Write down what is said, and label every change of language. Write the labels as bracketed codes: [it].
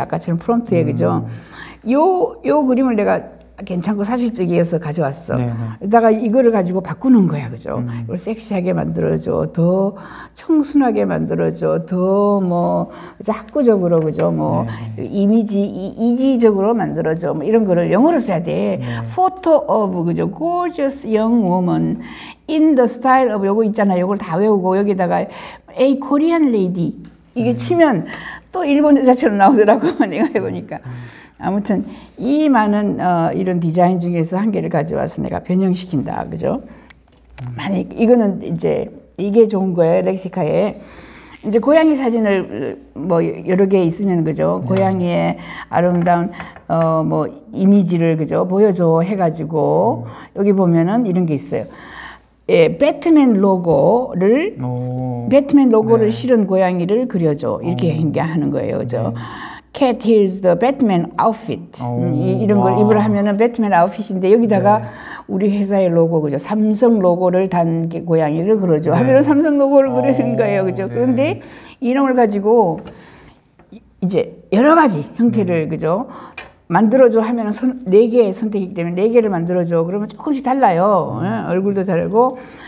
[ko] 아까처럼 프롬프트에, 그죠? 요 그림을 내가 괜찮고 사실적이어서 가져왔어. 여기다가 이거를 가지고 바꾸는 거야, 그죠? 이걸 섹시하게 만들어줘. 더 청순하게 만들어줘. 더 뭐, 학구적으로, 그죠? 뭐, 네. 이미지, 이지적으로 만들어줘. 뭐, 이런 거를 영어로 써야 돼. 네. [en] Photo of, [ko] 그죠? [en] Gorgeous young woman in the style of, [ko] 요거 있잖아. 요걸 다 외우고, 여기다가 [en] A Korean lady. [ko] 이게 치면 또 일본 여자처럼 나오더라고, 내가 해보니까. 아무튼 이 많은 이런 디자인 중에서 한 개를 가져와서 내가 변형시킨다, 그죠? 만약 이거는 이제 이게 좋은 거예요, 렉시카에 이제 고양이 사진을 뭐 여러 개 있으면 그죠? 네. 고양이의 아름다운 뭐 이미지를 그죠 보여줘 해가지고 여기 보면은 이런 게 있어요. 예, 배트맨 로고를 배트맨 로고를 네. 실은 고양이를 그려줘 이렇게 행하는 거예요, 그죠? 네. [en] Cat here's the Batman outfit. [ko] 이런 걸 입으로 하면은 Batman outfit인데 여기다가 네. 우리 회사의 로고, 그죠? 삼성 로고를 단 고양이를 그려줘. 네. 하면은 삼성 로고를 그려준 거예요, 그죠? 네. 그런데 이놈을 가지고 이제 여러 가지 형태를, 그죠? 만들어줘 하면은 네 개의 선택이기 때문에 네 개를 만들어줘. 그러면 조금씩 달라요. 얼굴도 다르고.